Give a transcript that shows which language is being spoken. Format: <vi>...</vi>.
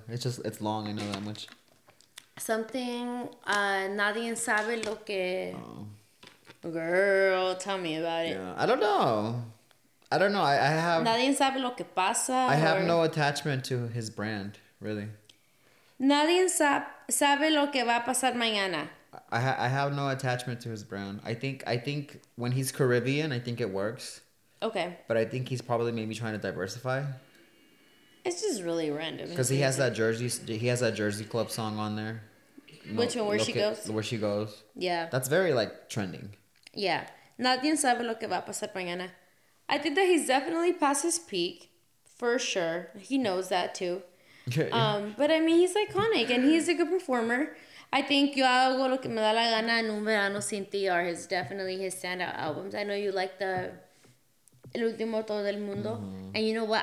<en>It's long. I know that much.</en> <es>Something. Nadie sabe lo que. Oh.</es> <en>Girl, tell me about it. Yeah. I don't know. I have.</en> <es>Nadie sabe lo que pasa.</es> <en>I have no attachment to his brand, really.</en> <es>Nadie sabe lo que va a pasar mañana.</es> <en>I have no attachment to his brand. I think when he's Caribbean, I think it works. Okay. But I think he's probably maybe trying to diversify. It's just really random. Because he has that Jersey Club song on there. Which one? Where She Goes? Where She Goes. Yeah. That's very, like, trending. Yeah.</en> <es>Nadie sabe lo que va a pasar mañana.</es> <en>I think that he's definitely past his peak. For sure. He knows that, too. But, I mean, he's iconic and he's a good performer. I think Yo Hago Lo Que Me Da La Gana and Un Verano Sin Ti are definitely his standout albums. I know you like the El Último Todo Del Mundo. Mm-hmm. And you know what?</en>